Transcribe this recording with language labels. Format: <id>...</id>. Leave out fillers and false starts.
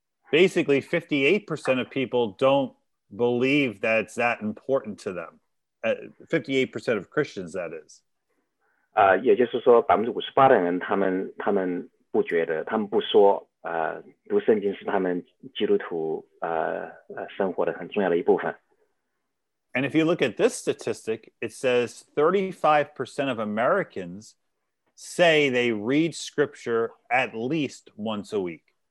<en>Basically, 58% of people don't believe that it's that important to them. 58% of Christians, that is.</en> <zh>也就是说，58%的人他们不觉得，他们不说。读圣经是他们基督徒生活的很重要的一部分。</zh> <en>And if you look at this statistic, it says 35% of Americans say they read scripture at least once a week.</en>